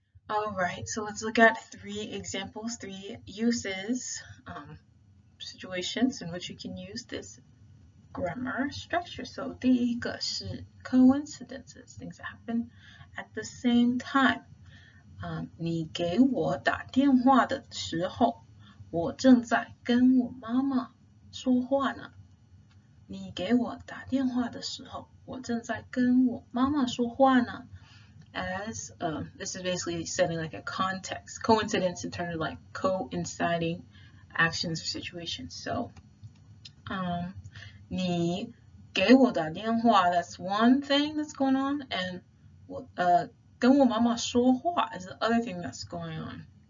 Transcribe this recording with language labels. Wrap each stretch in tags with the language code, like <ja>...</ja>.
<en>Alright, so let's look at three examples, three uses. Situations in which you can use this grammar structure. So,</en> <zh>第一个</zh> <en>是 coincidences, things that happen at the same time.</en> <zh>你给我打电话的时候，我正在跟我妈妈说话呢。你给我打电话的时候，我正在跟我妈妈说话呢。</zh> <en>As, this is basically setting like a context. Coincidence in terms of like coinciding. Actions or situations. So,</en> <zh>你给我打电话</zh> <en>that's one thing that's going on, and</en> <zh>我跟我妈妈说话</zh> <en>is the other thing that's going on.</en>